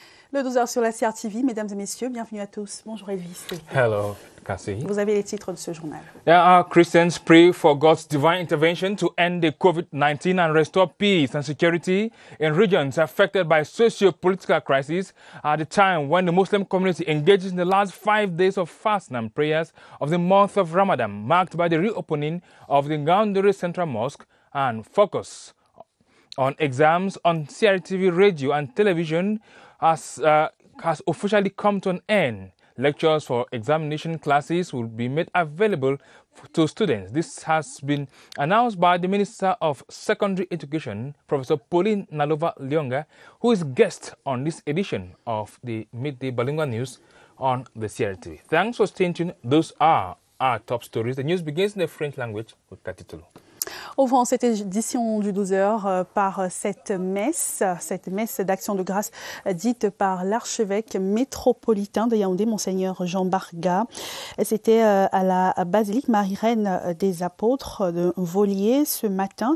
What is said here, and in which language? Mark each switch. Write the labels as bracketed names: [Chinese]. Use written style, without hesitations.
[French] Le 12h sur la CRTV, mesdames et messieurs, bienvenue à tous. Bonjour Elvis. [English] Hello, Cassie. [French] Vous avez les titres de ce journal. [English] There are Christians pray for God's divine intervention to end the COVID-19 and restore peace and security in regions affected by socio-political crisis at the time when the Muslim community engages in the last 5 days of fasting and prayers of the month of Ramadan, marked by the reopening of the Ngaoundere Central Mosque and focus on exams on CRTV radio and television has officially come to an end. Lectures for examination classes will be made available to students. This has been announced by the Minister of Secondary Education, Professor Pauline Nalova-Lyonga, who is guest on this edition of the Midday Bilingual News on the CRTV. Thanks for staying tuned. Those are our top stories. The news begins in the French language with Cathy Toulou. [French] Ouvrant cette édition du 12h par cette messe d'action de grâce dite par l'archevêque métropolitain de Yaoundé, Monseigneur Jean Barga. C'était à la basilique Marie-Reine des Apôtres de Vaulier ce matin.